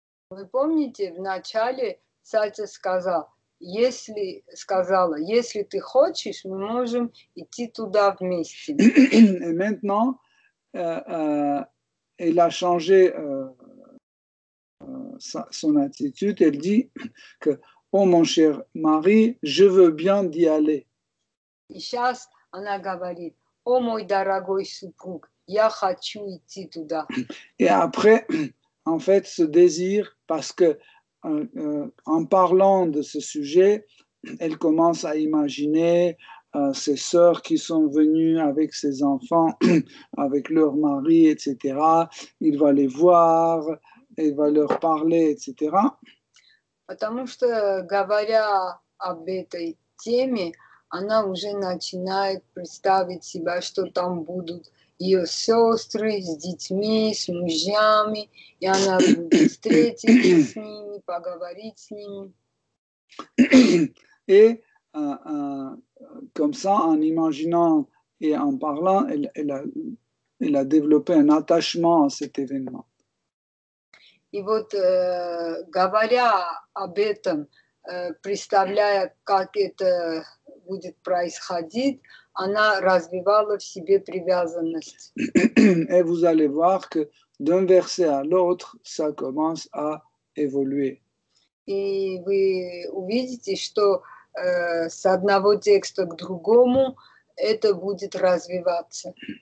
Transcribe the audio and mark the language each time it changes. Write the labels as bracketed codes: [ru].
[fr] Vous vous souvenez, au début, Satya a dit, [ru] если сказала, если ты хочешь, мы можем идти туда вместе. [fr] Et maintenant, elle a changé son attitude. Elle dit que, oh mon cher mari, je veux bien d'y aller. [ru] И сейчас она говорит, о мой дорогой супруг, я хочу идти туда. [fr] Et après, en fait, ce désir, parce que en parlant de ce sujet, elle commence à imaginer ses sœurs qui sont venues avec ses enfants, avec leur mari, etc. Il va les voir, il va leur parler, etc. [ru] Потому что, говоря об этой теме, она уже начинает представить себя, что там будут ее сестры с детьми, с мужьями, и она будет встретиться с ними, поговорить с ними. [fr] Et comme ça, en imaginant et en parlant, elle a développé un attachement à cet événement. [ru] И вот говоря об этом, представляя, как это будет происходить, она развивала в себе привязанность. [fr] Et vous allez voir que d'un verset à l'autre, ça commence à évoluer. [ru] И вы увидите, что с одного текста к другому это будет развиваться.